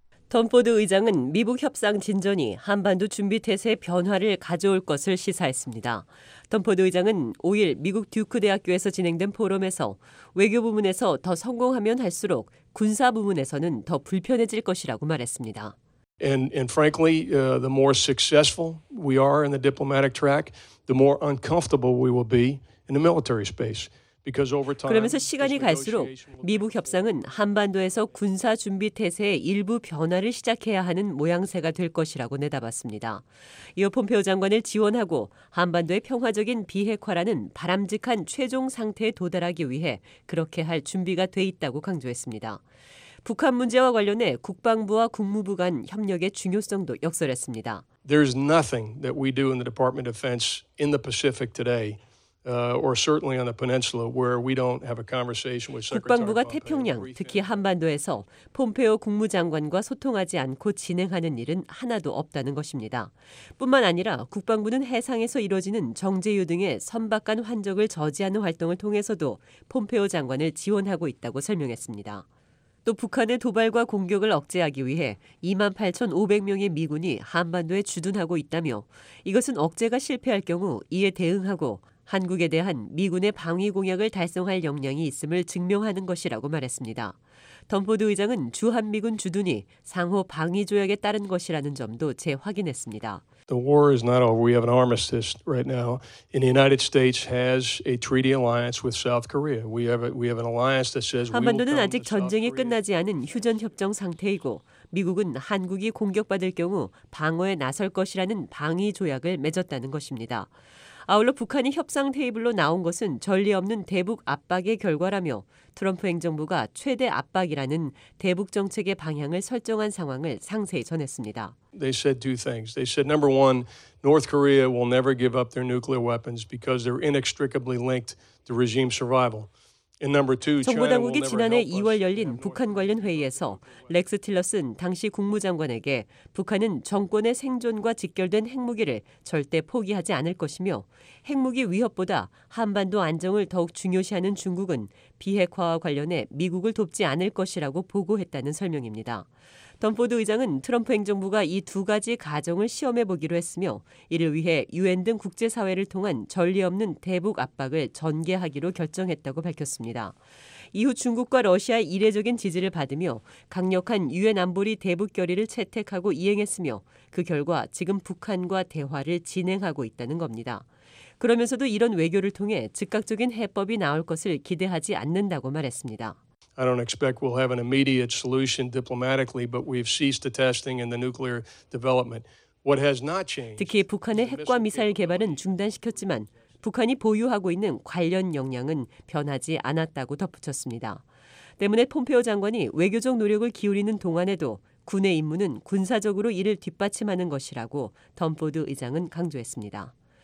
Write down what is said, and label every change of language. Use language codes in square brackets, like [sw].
[ko] 덤포드 의장은 미국 협상 진전이 한반도 준비태세의 변화를 가져올 것을 시사했습니다. 덤포드 의장은 5일 미국 듀크 대학교에서 진행된 포럼에서 외교 부문에서 더 성공하면 할수록 군사 부문에서는 더 불편해질 것이라고 말했습니다. [en] And frankly, the more successful we are in the diplomatic track, the more uncomfortable we will be in the military space. [ko] 그러면서 시간이 갈수록 미북 협상은 한반도에서 군사 준비 태세의 일부 변화를 시작해야 하는 모양새가 될 것이라고 내다봤습니다. 이어 폼페오 장관을 지원하고 한반도의 평화적인 비핵화라는 바람직한 최종 상태에 도달하기 위해 그렇게 할 준비가 돼 있다고 강조했습니다. 북한 문제와 관련해 국방부와 국무부 간 협력의 중요성도 역설했습니다. [en] There's nothing that we do in the Department of Defense in the Pacific today. Or certainly on the peninsula where we don't have a conversation with Secretary [ko] 국방부가 태평양, 특히 한반도에서 폼페오 국무장관과 소통하지 않고 진행하는 일은 하나도 없다는 것입니다. 뿐만 아니라 국방부는 해상에서 이루어지는 정제유 등의 선박 간 환적을 저지하는 활동을 통해서도 폼페오 장관을 지원하고 있다고 설명했습니다. 또 북한의 도발과 공격을 억제하기 위해 28,500명의 미군이 한반도에 주둔하고 있다며 이것은 억제가 실패할 경우 이에 대응하고 한국에 대한 미군의 방위 공약을 달성할 역량이 있음을 증명하는 것이라고 말했습니다. 덤포드 의장은 주한미군 주둔이 상호 방위 조약에 따른 것이라는 점도 재확인했습니다. [en] The war is not over. We have an armistice right now. And the United States has a treaty alliance with South Korea. We have an alliance that says we will come. [ko] 한반도는 아직 전쟁이 끝나지 않은 휴전 협정 상태이고 미국은 한국이 공격받을 경우 방어에 나설 것이라는 방위 조약을 맺었다는 것입니다. 아울러 북한이 협상 테이블로 나온 것은 전례 없는 대북 압박의 결과라며 트럼프 행정부가 최대 압박이라는 대북 정책의 방향을 설정한 상황을 상세히 전했습니다. [en] They said two things. They said number one, North Korea will never give up their nuclear weapons because they're inextricably linked to regime survival. [ko] 정부 당국이 지난해 2월 열린 북한 관련 회의에서 렉스 틸러슨 당시 국무장관에게 북한은 정권의 생존과 직결된 핵무기를 절대 포기하지 않을 것이며 핵무기 위협보다 한반도 안정을 더욱 중요시하는 중국은 비핵화와 관련해 미국을 돕지 않을 것이라고 보고했다는 설명입니다. 덤포드 의장은 트럼프 행정부가 이 두 가지 가정을 시험해 보기로 했으며 이를 위해 유엔 등 국제사회를 통한 전례 없는 대북 압박을 전개하기로 결정했다고 밝혔습니다. 이후 중국과 러시아의 이례적인 지지를 받으며 강력한 유엔 안보리 대북 결의를 채택하고 이행했으며 그 결과 지금 북한과 대화를 진행하고 있다는 겁니다. 그러면서도 이런 외교를 통해 즉각적인 해법이 나올 것을 기대하지 않는다고 말했습니다. [en] I don't expect we'll have an immediate solution diplomatically, but we've ceased the testing and the nuclear development. What has not changed? [ko] 특히 북한의 핵과 미사일 개발은 중단시켰지만 북한이 보유하고 있는 관련 역량은 변하지 않았다고 덧붙였습니다. 때문에 폼페오 장관이 외교적 노력을 기울이는 동안에도 군의 임무는 군사적으로 이를 뒷받침하는 것이라고 덤포드 의장은 강조했습니다.